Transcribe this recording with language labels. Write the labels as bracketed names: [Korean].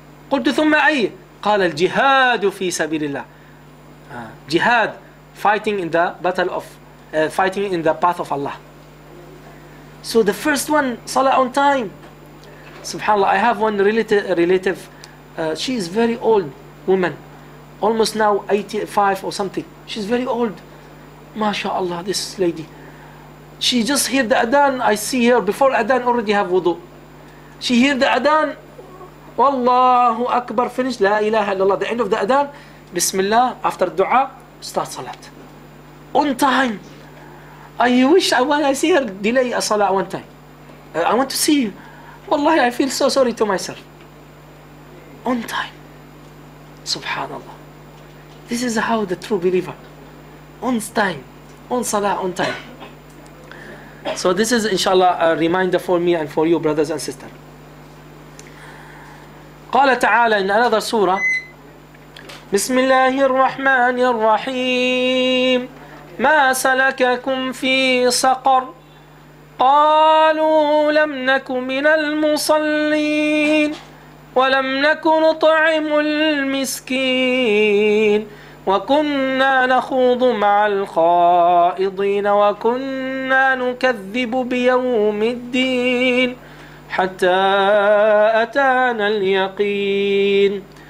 [Arabic] قلت ثم أي, قال الجهاد في سبيل الله. [English] Jihad, fighting in the battle of, fighting in the path of Allah. So the first one, salah on time. Subhanallah, I have one relative, she is very old woman, almost now 85 or something. She's very old. MashaAllah, this lady. She just heard the adhan, I see her, before adhan already have wudu. She heard the adhan, Wallahu Akbar, finish, La ilaha illallah. The end of the adhan, Bismillah, after dua, start salat. On time. I wish, I see her delay a salah one time. I want to see you. Wallahi, I feel so sorry to myself. On time. Subhanallah. This is how the true believer. On time. On salah, on time. So this is, inshallah, a reminder for me and for you, brothers and sisters. [Arabic] قال تعالى إن هذا سورة بسم الله الرحمن الرحيم ما سلككم في سقر قالوا لم نك من المصلين ولم نك نطعم المسكين وكنا نخوض مع الخائضين وكنا نكذب بيوم الدين حتى أتانا اليقين.